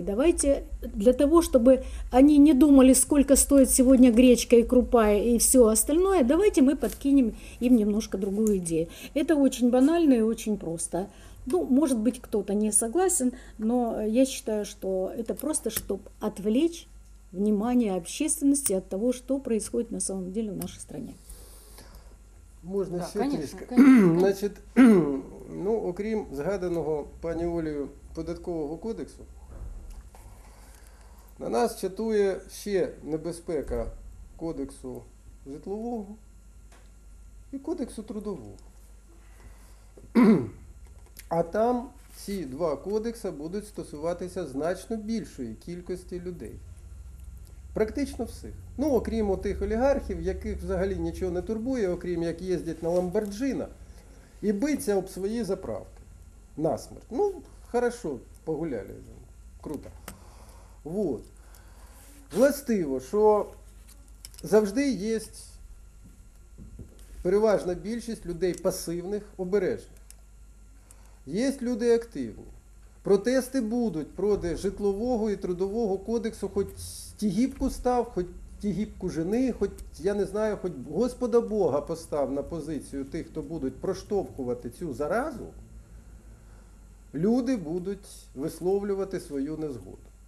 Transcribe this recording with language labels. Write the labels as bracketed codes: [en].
[ru] Давайте для того, чтобы они не думали, сколько стоит сегодня гречка и крупа и все остальное, давайте мы подкинем им немножко другую идею. Это очень банально и очень просто. Ну, может быть, кто-то не согласен, но я считаю, что это просто, чтобы отвлечь внимание общественности от того, что происходит на самом деле в нашей стране. [uk] Можна [ru] да, [uk] ще [ru] конечно, [uk] трішки. [ru] Конечно. [uk] Значить, ну, окрім згаданого пані Олею податкового кодексу, на нас чатує ще небезпека кодексу житлового і кодексу трудового. А там ці два кодекси будуть стосуватися значно більшої кількості людей. Практично всіх. Ну, окрім отих олігархів, яких взагалі нічого не турбує, окрім як їздять на Ламборджина і биться об свої заправки насмерть. [ru] Ну, хорошо, погуляли, круто. Вот. [uk] Властиво, що завжди є переважна більшість людей пасивних, обережних. Є люди активні. Протести будуть проти житлового і трудового кодексу, хоч тігіпку став, хоч тігіпку жени, хоч, я не знаю, хоч Господа Бога постав на позицію тих, хто будуть проштовхувати цю заразу, люди будуть висловлювати свою незгоду.